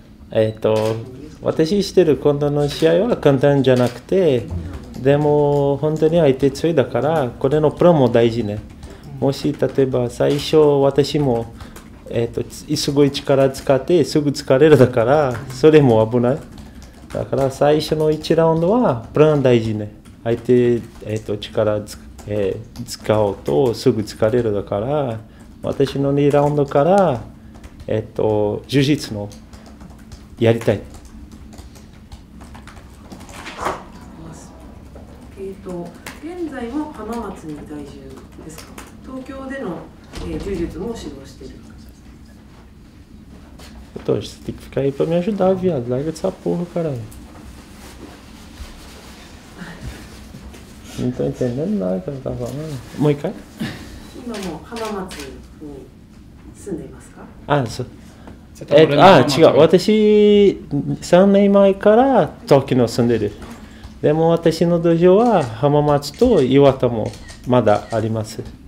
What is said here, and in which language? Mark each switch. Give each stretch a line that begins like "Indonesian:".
Portuguese: Então, quando eu estou fazendo, não é tão simples.
Japanese: でも本当に相手強いだからこれのプランも大事ね。もし例えば最初私も、すごい力使ってすぐ疲れるだからそれも危ない。だから最初の1ラウンドはプラン大事ね。相手、力つ、使おうとすぐ疲れるだから私の2ラウンドから、呪術のやりたい。現在も浜松に在住ですか？東京での、柔術も指導している。ちょっと、
Portuguese: tem que ficar aí pra me ajudar, viado. Larga dessa porra, caralho. Não tô entendendo nada que ela tá falando.
Japanese: もう一回。今も浜松に住んでいますか？ああ、そう。ああ、違う。私、3年前から東京に住んでる。でも私の道場は浜松と岩田もまだあります。